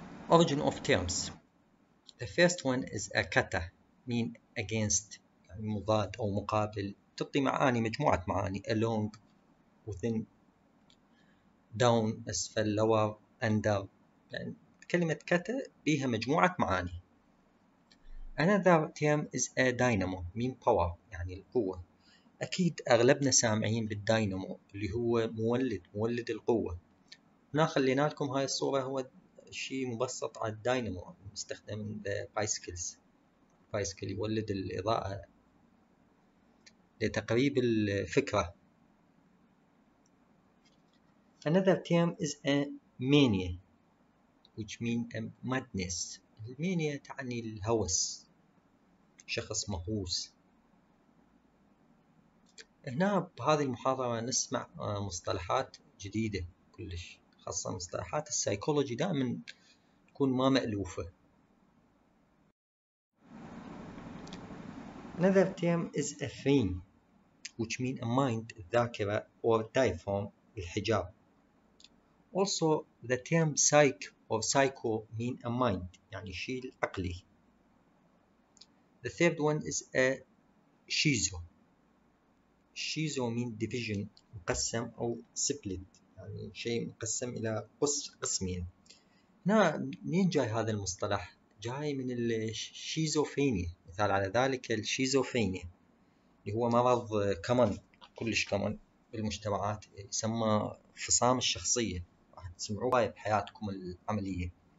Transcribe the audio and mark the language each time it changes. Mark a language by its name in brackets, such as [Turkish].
[English] Origin of terms. The first one is akata, mean against, [Arabic] مضاد أو مقابل, تعطي معاني, مجموعة معاني, [English] along, within, down, [Arabic] أسفل, [English] lower, under. [Arabic] كلمة كتا بها مجموعة معاني. [English] Another term is a dynamo, mean power, [Arabic] يعني القوة. أكيد أغلبنا سامعين بالداينامو اللي هو مولد, مولد القوة. هنا خلينا لكم هاي الصورة, هو شيء مبسط على الداينامو مستخدم بايسكلز, بايسكل يولد الإضاءة لتقريب الفكرة. [English] Another term is a mania, which means a madness. [Arabic] Mania تعني الهوس, شخص مهووس. هنا بهذه المحاضرة نسمع مصطلحات جديدة كلش, خاصة مصطلحات السايكولوجي دائما تكون ما مألوفة. [English] Another term is a frame, which means a mind, الذاكرة, or diaphragm, الحجاب. Also the term psych or psycho means a mind, [Arabic] يعني شيء عقلي. [English] The third one is a schizo. Schizo mean division, [Arabic] مقسم أو split, يعني شيء مقسم إلى قسمين. هنا منين جاي هذا المصطلح؟ جاي من الشيزوفينيا. مثال على ذلك الشيزوفينيا اللي هو مرض كمان, كلش كمان بالمجتمعات, يسمى فصام الشخصية, راح تسمعوها بحياتكم العملية.